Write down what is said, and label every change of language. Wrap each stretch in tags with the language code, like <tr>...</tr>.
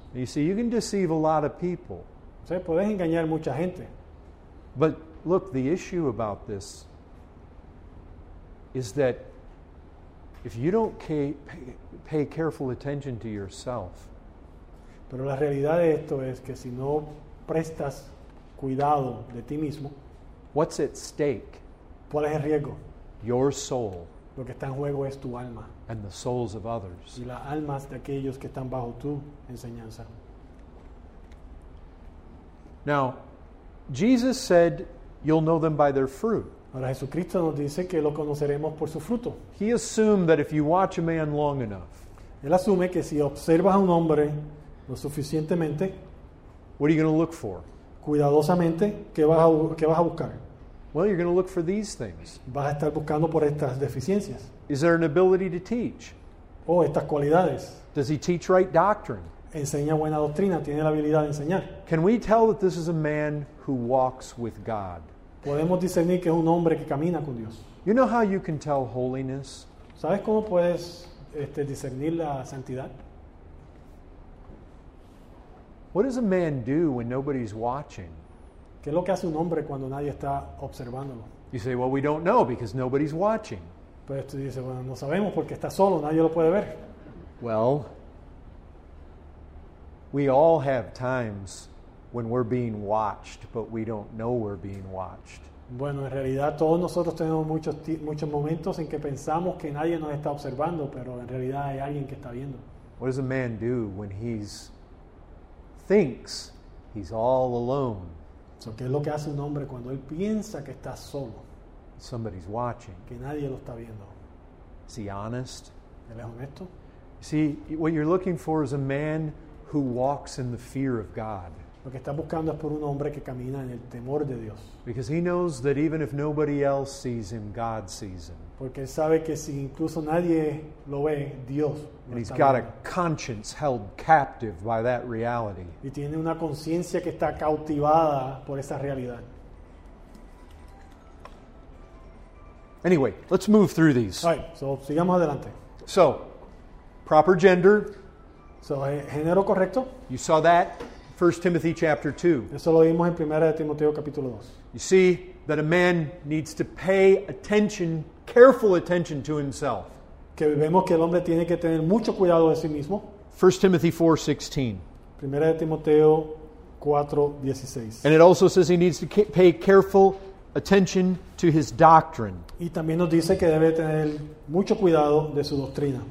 <en>You see, you can deceive a lot of people.</en> <es>O sea, puedes engañar mucha gente.</es> <en>But look, the issue about this is that if you don't pay careful attention to yourself,</en> <es>pero la realidad de esto es que si no prestas cuidado de ti mismo,</es> <en>what's at stake?</en> <es>¿Cuál es el riesgo?</es> <en>Your soul.</en> <es>Lo que está en juego es tu alma.</es> <en>And the souls of others.</en> <es>Y las almas de aquellos que están bajo tu enseñanza.</es> <en>Now, Jesus said, "You'll know them by their fruit."</en> <es>Ahora Jesucristo nos dice que lo conoceremos por su fruto.</es> <en>He assumed that if you watch a man long enough,</en> <es>él asume que si observas a un hombre lo suficientemente,</es> <en>what are you going to look for?</en> <es>Cuidadosamente, ¿qué vas a buscar?</es> <en>Well, you're going to look for these things.</en> <es>Vas a estar buscando por estas deficiencias.</es> <en>Is there an ability to teach?</en> <es>Oh, estas cualidades.</es> <en>Does he teach right doctrine?</en> <es>Enseña buena doctrina, tiene la habilidad de enseñar.</es> <en>Can we tell that this is a man who walks with God?</en> <es>Podemos discernir que es un hombre que camina con Dios.</es> <en>You know how you can tell holiness?</en> <es>¿Sabes cómo puedes discernir la santidad?</es> <en>What does a man do when nobody's watching?</en> <es>¿Qué es lo que hace un hombre cuando nadie está observándolo?</es> <en>You say, well, we don't know because nobody's watching.</en> <es>Pero tú dices, bueno, no sabemos porque está solo, nadie lo puede ver.</es> <en>Well, we all have times when we're being watched, but we don't know we're being watched.</en> <es>Bueno, en realidad todos nosotros tenemos muchos momentos en que pensamos que nadie nos está observando, pero en realidad hay alguien que está viendo.</es> <en>What does a man do when he thinks he's all alone?</en> <es>So, ¿qué es lo que hace un hombre cuando él piensa que está solo?</es> <en>Somebody's watching.</en> <es>Que nadie lo está viendo.</es> <en>Is he honest?</en> <es>¿Él es honesto?</es> <en>See, what you're looking for is a man who walks in the fear of God.</en> <es>Lo que está buscando es por un hombre que camina en el temor de Dios.</es> <en>Because he knows that even if nobody else sees him, God sees him.</en> <es>Porque él sabe que si incluso nadie lo ve, Dios lo está viendo.</es> <en>He's got a conscience held captive by that reality.</en> <es>Y tiene una conciencia que está cautivada por esa realidad.</es> <en>Anyway, let's move through these. All right, so</en> <es>sigamos adelante.</es> <en>So, proper gender.</en> <es>So, género correcto.</es> <en>You saw that. 1 Timothy chapter 2.</en> <es>Eso lo vimos en 1 Timoteo capítulo 2.</es> <en>You see that a man needs to pay attention, careful attention to himself.</en> <es>Que vemos que el hombre tiene que tener mucho cuidado de sí mismo.</es> <en>1 Timothy 4:16.</en> <es>1 Timoteo 4:16.</es> <en>And it also says he needs to pay careful attention to his doctrine.</en> <es>Y también nos dice que debe tener mucho cuidado de su doctrina.</es>